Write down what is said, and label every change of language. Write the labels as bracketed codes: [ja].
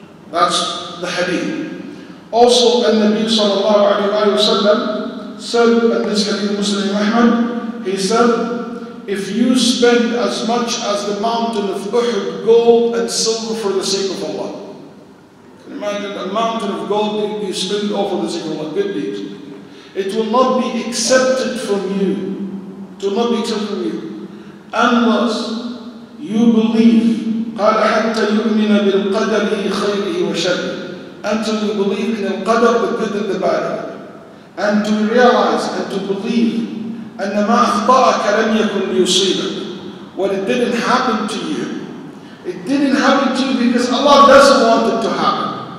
[en] That's the hadith. Also, in Nabi sallallahu alayhi wa sallam, said in this hadith Muslim Ahmad, he said, if you spend as much as the mountain of Uhud, gold and silver for the sake of Allah. Can you imagine a mountain of gold that you spend all for the sake of Allah? Good deeds. It will not be accepted from you. It will not be accepted from you. Unless you believe, [ar] قَالَ حَتَّى يُؤْمِنَ بِالْقَدَرِ خَيْرِهِ وَشَرِهِ. [en] Until you believe in al-qadr, the good and the bad. And to realize and to believe [ar] أَنَّ مَا أَخْطَأَكَ لَمْ يَكُنْ لِيُصِيبَكَ. [en] When it didn't happen to you, it didn't happen to you because Allah doesn't want it to happen.